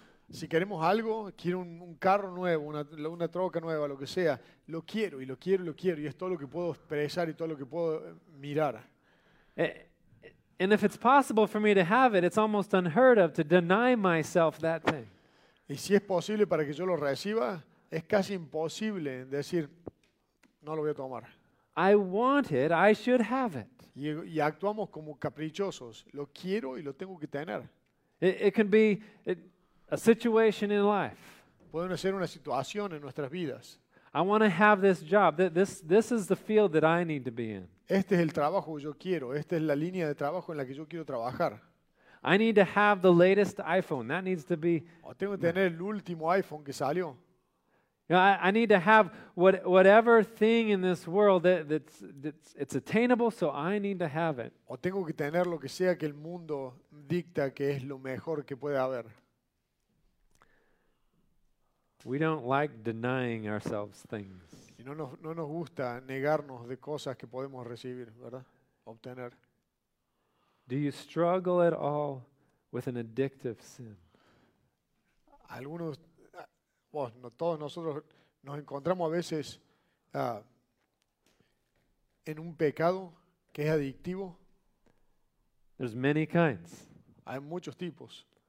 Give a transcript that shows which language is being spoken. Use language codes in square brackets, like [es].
[es] Si queremos algo, quiero un carro nuevo, una troca nueva, lo que sea, lo quiero y lo quiero y lo quiero y es todo lo que puedo expresar y todo lo que puedo mirar. [en] And if it's possible for me to have it, it's almost unheard of to deny myself that thing. [es] Y si es posible para que yo lo reciba, es casi imposible decir, no lo voy a tomar. [en] I want it, I should have it. [es] Y actuamos como caprichosos. Lo quiero y lo tengo que tener. [en] It can be a situation in life. [es] Puede ser una situación en nuestras vidas. [en] I want to have this job. This is the field that I need to be in. [es] Este es el trabajo que yo quiero. Esta es la línea de trabajo en la que yo quiero trabajar. [en] I need to have the latest iPhone. That needs to be. [es] Tengo que tener el último iPhone que salió. [en] You know, I need to have whatever thing in this world that's attainable. So I need to have it. [es] O tengo que tener lo que sea que el mundo dicta que es lo mejor que puede haber. [en] We don't like denying ourselves things. [es] Y no nos gusta negarnos de cosas que podemos recibir, ¿verdad? Obtener. [en] Do you struggle at all with an addictive sin? [es] Algunos, bueno, todos nosotros nos encontramos a veces en un pecado que es adictivo. [en] There's many kinds. [es] Hay muchos tipos.